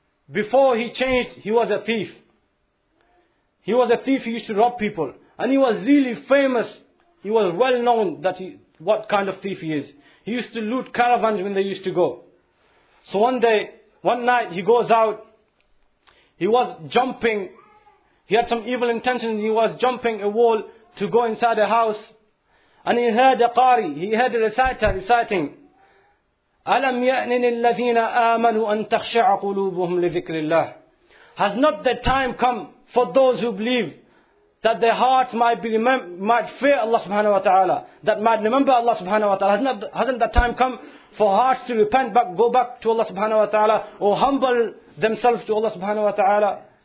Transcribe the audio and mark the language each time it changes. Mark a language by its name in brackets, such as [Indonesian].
[English] Before he changed, he was a thief. He was a thief, he used to rob people. And he was really famous. He was well known that he what kind of thief he is. He used to loot caravans when they used to go. So one day, one night, he goes out. He was jumping. He had some evil intentions. He was jumping a wall to go inside a house. And he heard a qari. He heard a reciter reciting, [Arabic] أَلَمْ يَأْنِنِ الَّذِينَ آمَنُوا أَن تَخْشَعَ قُلُوبُهُمْ لِذِكْرِ اللَّهِ. [English] Has not the time come for those who believe that their hearts might fear Allah subhanahu wa ta'ala, that might remember Allah subhanahu wa ta'ala? Hasn't that time come for hearts to repent, back, go back to Allah subhanahu wa ta'ala, or humble themselves to Allah subhanahu wa ta'ala?